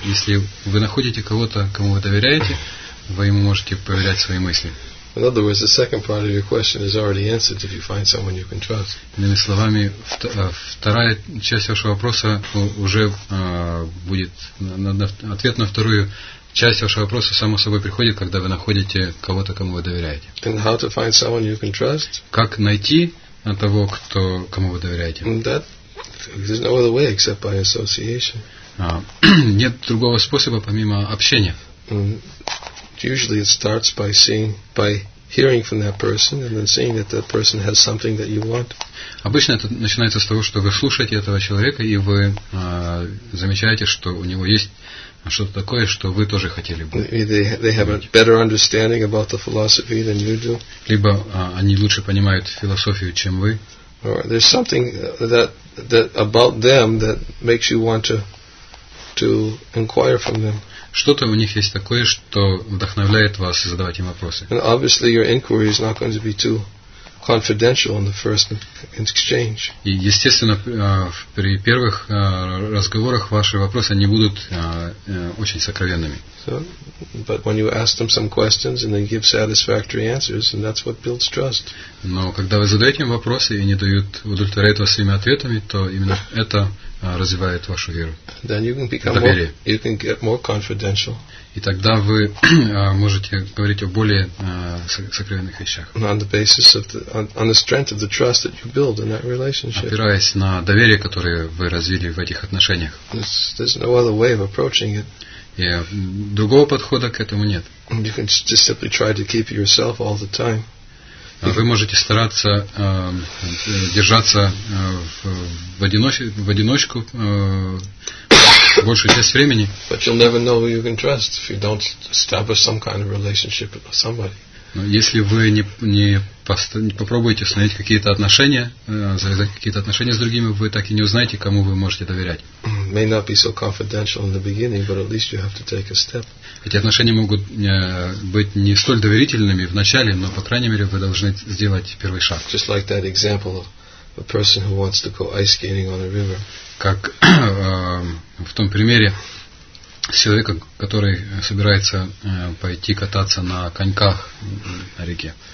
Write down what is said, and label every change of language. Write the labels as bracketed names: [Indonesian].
[Russian] Если вы находите кого-то, кому вы доверяете, вы ему можете проверять свои мысли. [English] In other words, the second part of your question is already answered if you find someone you can trust. [Russian] Иными словами, вторая часть вашего вопроса уже будет ответ на вторую. Часть вашего вопроса само собой приходит, когда вы находите кого-то, кому вы доверяете. [English] And how to find someone you can trust? [Russian] Как найти того, кто, кому вы доверяете? [English] That, there's no other way except by association. [Russian] Нет другого способа, помимо общения. [English] Usually it starts by seeing, by hearing from that person, and then seeing that that person has something that you want. [Russian] Обычно это начинается с того, что вы слушаете этого человека, и вы замечаете, что у него есть что-то такое, что вы тоже хотели бы. [English] They have a better understanding about the philosophy than you do. [Russian] Либо они лучше понимают философию, чем вы. [English] Or there's something that about them that makes you want to inquire from them. [Russian] Что-то у них есть такое, что вдохновляет вас задавать им вопросы. [English] And obviously your inquiry is not going to be too confidential in the first exchange. [Russian] И естественно, при первых разговорах ваши вопросы не будут очень сокровенными. [English] So, but when you ask them some questions and they give satisfactory answers, and that's what builds trust. [Russian] Но когда вы задаете им вопросы и они дают удовлетворяют вас своими ответами, то именно это развивает вашу веру. [English] Then you can become more, you can get more confidential. [Russian] И тогда вы можете говорить о более сокровенных вещах. [English] On the basis of the, on the strength of the trust that you build in that relationship. [Russian] Опираясь на доверие, которое вы развили в этих отношениях. [English] There's no other way of approaching it. [Russian] И другого подхода к этому нет. [English] You can just simply try to keep yourself all the time. [Russian] Вы можете стараться держаться в одиночку большую часть времени. [English] But you'll never know who you can trust if you don't establish some kind of relationship with somebody. [Russian] Но если вы не попробуете установить какие-то отношения, завязать какие-то отношения с другими, вы так и не узнаете, кому вы можете доверять. [English] May not be so confidential in the beginning, but at least you have to take a step. [Russian] Эти отношения могут быть не столь доверительными в начале, но по крайней мере вы должны сделать первый шаг. [English] Just like that example of a person who wants to go ice skating on a river. [Russian] Как в том примере человека, который собирается пойти кататься на коньках на реке.